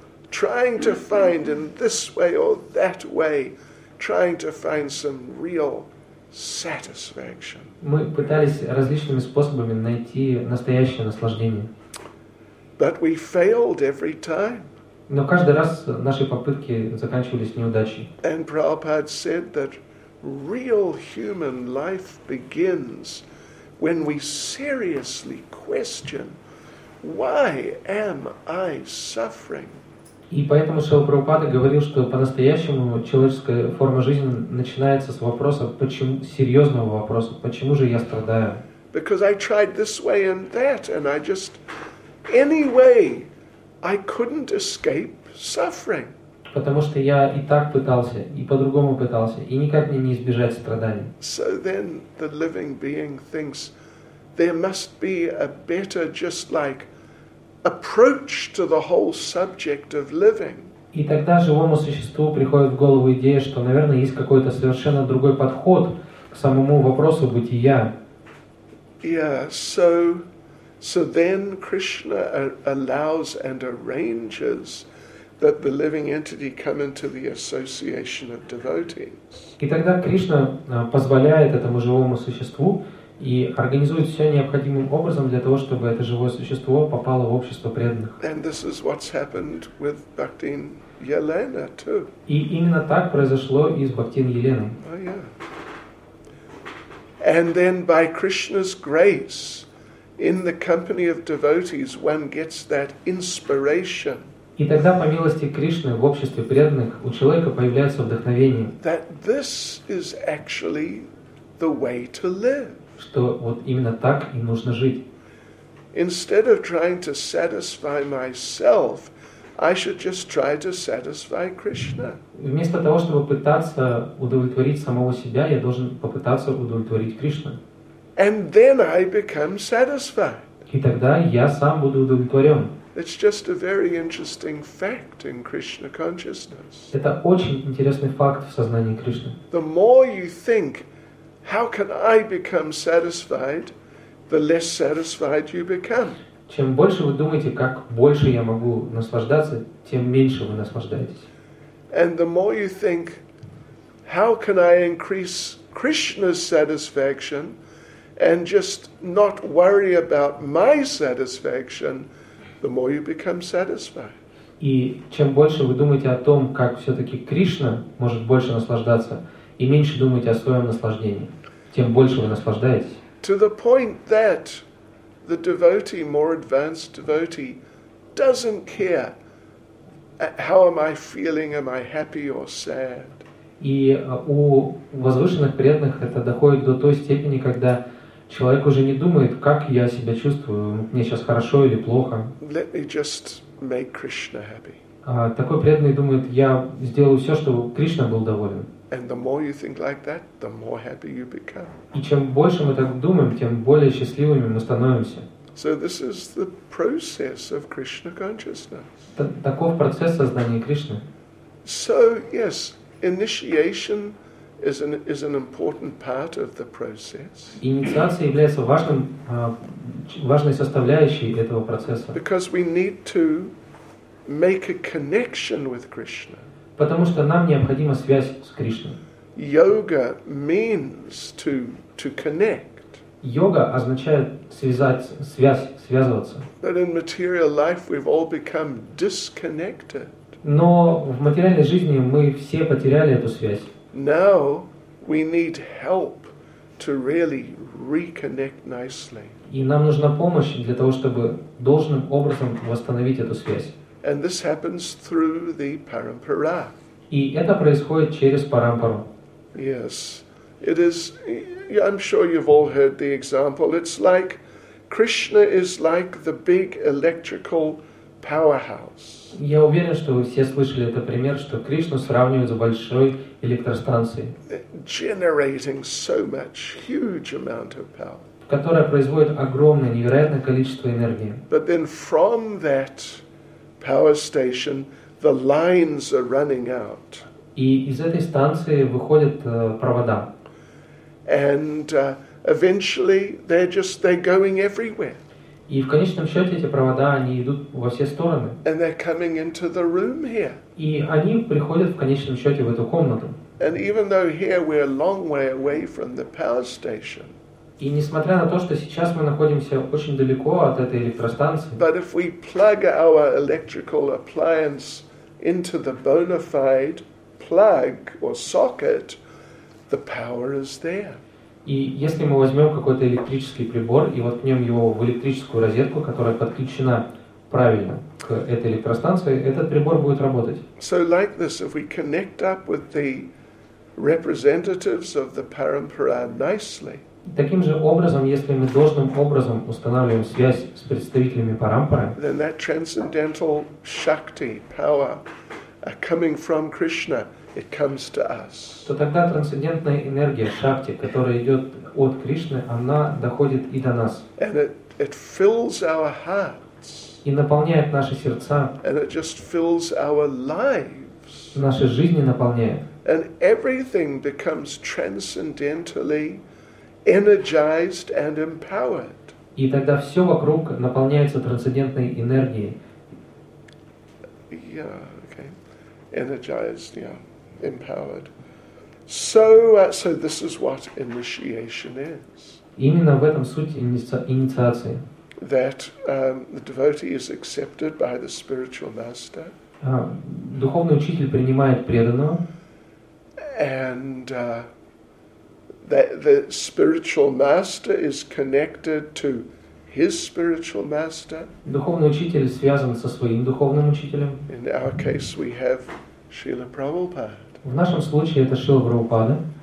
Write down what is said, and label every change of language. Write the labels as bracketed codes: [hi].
[en] Trying to find in this way or that way, trying to find some real satisfaction. [ru] Мы пытались различными способами найти настоящее наслаждение. [en] But we failed every time. [ru] Но каждый раз наши попытки заканчивались неудачей. [en] And Prabhupada said that real human life begins when we seriously question, why am I suffering? [ru] И поэтому Шрила Прабхупада говорил, что по-настоящему человеческая форма жизни начинается с вопроса, почему, серьезного вопроса, почему же я страдаю? [en] Because I tried this way and that, and I just anyway, I couldn't escape suffering. [ru] Потому что я и так пытался, и по-другому пытался, и никак мне не избежать страданий. [en] So then the living being thinks there must be a better, just like approach to the whole subject of living. [ru] И тогда живому существу приходит в голову идея, что, наверное, есть какой-то совершенно другой подход к самому вопросу бытия. [en] Yeah, so then Krishna allows and arranges that the living entity come into the association of devotees. [ru] И тогда Кришна позволяет этому живому существу и организует все необходимым образом для того, чтобы это живое существо попало в общество преданных. [en] And this is what's happened with Bhaktin Yelena too. [ru] И именно так произошло и с Бхактин Еленой. [en] Oh, yeah. And then by Krishna's grace, in the company of devotees, one gets that inspiration. [ru] И тогда по милости Кришны в обществе преданных у человека появляется вдохновение. [en] That this is actually the way to live. [ru] Что вот именно так и нужно жить. [en] Instead of trying to satisfy myself, I should just try to satisfy Krishna. [ru] Вместо того, чтобы пытаться удовлетворить самого себя, я должен попытаться удовлетворить Кришну. [en] And then I become satisfied. [ru] И тогда я сам буду удовлетворен. [en] It's just a very interesting fact in Krishna consciousness. [ru] Это очень интересный факт в сознании Кришны. [en] The more you think, how can I become satisfied? The less satisfied you become. [ru] Чем больше вы думаете, как больше я могу наслаждаться, тем меньше вы наслаждаетесь. [en] And the more you think, how can I increase Krishna's satisfaction and just not worry about my satisfaction, the more you become satisfied. [ru] И чем больше вы думаете о том, как все-таки Кришна может больше наслаждаться, и меньше думаете о своем наслаждении, тем больше вы наслаждаетесь. [en] To the point that the devotee, more advanced devotee, doesn't care how am I feeling, am I happy or sad. [ru] И у возвышенных преданных это доходит до той степени, когда человек уже не думает, как я себя чувствую, мне сейчас хорошо или плохо. [en] Let me just make Krishna happy. [ru] Такой преданный думает, я сделаю все, чтобы Кришна был доволен. [en] And the more you think like that, the more happy you become. [ru] И чем больше мы так думаем, тем более счастливыми мы становимся. [en] So this is the process of Krishna consciousness. [ru] Таков процесс сознания Кришны. [en] So yes, initiation is an important part of the process. [ru] Инициация является важной составляющей этого процесса. [en] Because we need to make a connection with Krishna. [ru] Потому что нам необходима связь с Кришной. [en] Yoga means to connect. [ru] Йога означает связать, связываться. [en] But in material life we've all become disconnected. [ru] Но в материальной жизни мы все потеряли эту связь. [en] Now we need help to really reconnect nicely. [ru] И нам нужна помощь для того, чтобы должным образом восстановить эту связь. [en] And this happens through the parampara. [ru] И это происходит через парампару. [en] Yes, it is. I'm sure you've all heard the example. It's like Krishna is like the big electrical powerhouse. [ru] Я уверен, что все слышали этот пример, что Кришну сравнивают с большой электростанцией. [en] Generating so much, huge amount of power. [ru] Которая производит огромное, невероятное количество энергии. [en] But then from that power station, the lines are running out. [ru] И из этой станции выходят провода. [en] And eventually they're going everywhere. [ru] И в конечном счете эти провода они идут во все стороны. [en] And they're coming into the room here. [ru] И они приходят в конечном счете в эту комнату. [en] And even though here we're a long way away from the power station. [ru] И несмотря на то, что сейчас мы находимся очень далеко от этой электростанции. [en] But if we plug our electrical appliance into the bona fide plug or socket, the power is there. [ru] И если мы возьмем какой-то электрический прибор и воткнем его в электрическую розетку, которая подключена правильно к этой электростанции, этот прибор будет работать. [en] So like this, if we connect up with the representatives of the parampara nicely. [ru] Таким же образом, если мы должным образом устанавливаем связь с представителями парампары, [en] then that transcendental shakti power coming from Krishna. It comes to us. [ru] То тогда трансцендентная энергия шакти, которая идет от Кришны, она доходит и до нас. [en] And it fills our hearts. [ru] И наполняет наши сердца. [en] And it just fills our lives. [ru] Наши жизни наполняет. [en] And everything becomes transcendentally energized and empowered. [ru] И тогда все вокруг наполняется трансцендентной энергией. [en] Yeah, okay. Energized, yeah. Empowered. So, so this is what initiation is. [ru] Именно в этом суть инициации. [en] That the devotee is accepted by the spiritual master. [ru] Духовный учитель принимает преданного. [en] And that the spiritual master is connected to his spiritual master. [ru] Духовный учитель связан со своим духовным учителем. [en] In our case, we have Srila Prabhupada. [ru] В нашем случае это Шрила Прабхупада.